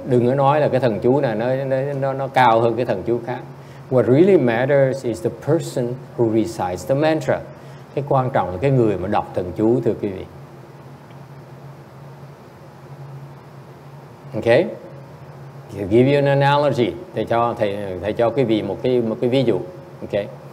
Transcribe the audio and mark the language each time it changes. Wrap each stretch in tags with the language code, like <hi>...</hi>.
<vi>Đừng có nói là cái thần chú này nó cao hơn cái thần chú khác.</vi> <en>What really matters is the person who recites the mantra.</en> <vi>Cái quan trọng là cái người mà đọc thần chú, thưa quý vị.</vi> <en>Okay, I'll give you an analogy.</en> <vi>Thầy cho quý vị một cái ví dụ.</vi> <en>Okay.</en>